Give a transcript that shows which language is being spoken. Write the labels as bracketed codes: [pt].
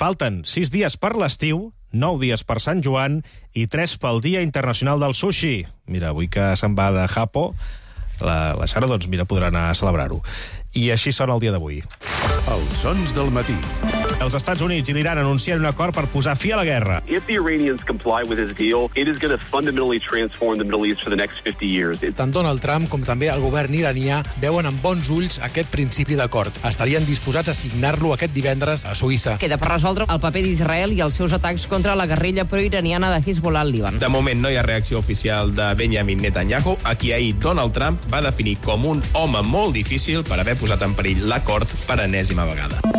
[ca] Falten 6 dies per l'estiu, 9 dies per Sant Joan i 3 pel Dia Internacional del Sushi. Mira, avui que se'n va de Japó, la Sara, doncs mira, podrà anar a celebrar-ho. I així sona el dia d'avui. Els sons del matí. Els Estats Units i l'Iran anuncien un acord per posar fi a la guerra. [en] If the Iranians comply with his deal, it is going to fundamentally transform the Middle East for the next 50 years. [ca] Tant Donald Trump com també el govern iranià veuen amb bons ulls aquest principi d'acord. Estarien disposats a signar-lo aquest divendres a Suïssa. Queda per resoldre el paper d'Israel i els seus atacs contra la guerrilla pro-iraniana de Hezbollah al Líban. De moment no hi ha reacció oficial de Benjamin Netanyahu, a qui ahir Donald Trump va definir com un home molt difícil per haver posat en perill l'acord per enèsima vegada.